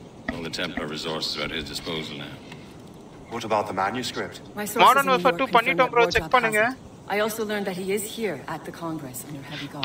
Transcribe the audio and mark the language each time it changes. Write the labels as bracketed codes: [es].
[en] All the Templar resources are at his disposal now. What about the manuscript? [ta] Modern Warfare 2 பண்ணிட்டோம் bro, check பண்ணுங்க. [en] I also learned that he is here at the Congress under heavy guard.